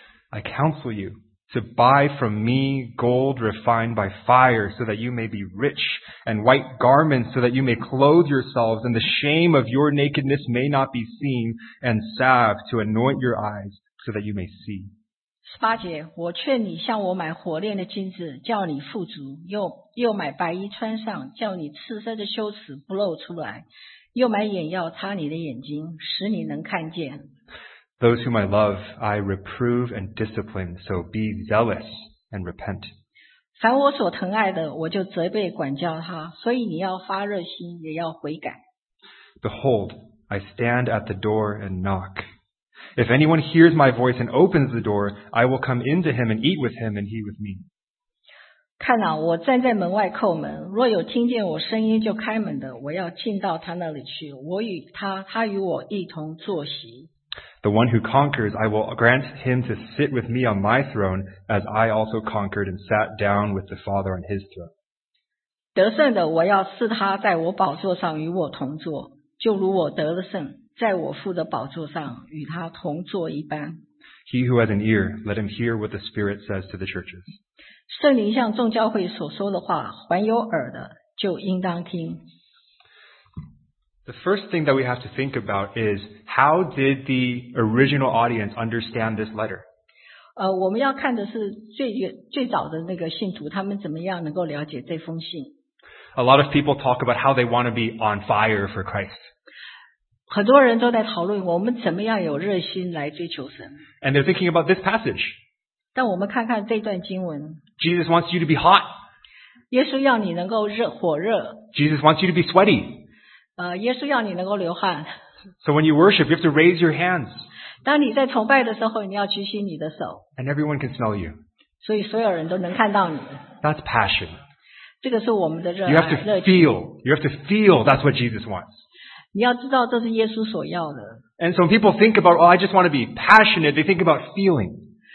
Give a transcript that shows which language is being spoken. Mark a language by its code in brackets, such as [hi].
[en] I counsel youTo buy from me gold refined by fire so that you may be rich, and white garments so that you may clothe yourselves, and the shame of your nakedness may not be seen, and salve to anoint your eyes so that you may see. [zh] 十八节，我劝你向我买火炼的金子，叫你富足，又买白衣穿上，叫你赤身的羞耻不露出来，又买眼药擦你的眼睛，使你能看见。 [en] Those whom I love, I reprove and discipline, so be zealous and repent. [zh] 凡我所疼爱的，我就责备管教他，所以你要发热心，也要悔改。 [en] Behold, I stand at the door and knock. If anyone hears my voice and opens the door, I will come into him and eat with him and he with me. [zh] 看啊，我站在门外叩门，若有听见我声音就开门的，我要进到他那里去，我与他，他与我一同坐席。 [en] The one who conquers, I will grant him to sit with me on my throne, as I also conquered and sat down with the Father on his throne. [zh] 得胜的，我要赐他在我宝座上与我同坐，就如我得了胜，在我父的宝座上与他同坐一般。 [en] He who has an ear, let him hear what the Spirit says to the churches. [zh] 圣灵向众教会所说的话，凡有耳的，就应当听。 [en] The first thing that we have to think about is how did the original audience understand this letter? [zh] 我们要看的是最早的那个信徒，他们怎么样能够了解这封信。 [en] A lot of people talk about how they want to be on fire for Christ. [zh] 很多人都在讨论我们怎么样有热心来追求神。 [en] And they're thinking about this passage. [zh] 但我们看看这段经文。 [en] Jesus wants you to be hot. [zh] 耶稣要你能够热火热。 [en] Jesus wants you to be sweaty. [zh] 耶稣要你能够流汗。 [en] So when you worship, you have to raise your hands. [zh] 当你在崇拜的时候，你要举起你的手。 [en] And everyone can smell you. [zh] 所以所有人都能看到你。 [en] That's passion. [zh] 这个是我们的热爱。 [en] You have to feel. You have to feel. That's what Jesus wants. [zh] 你要知道这是耶稣所要的。 [en] And so people think about, oh, I just want to be passionate. They think about feeling.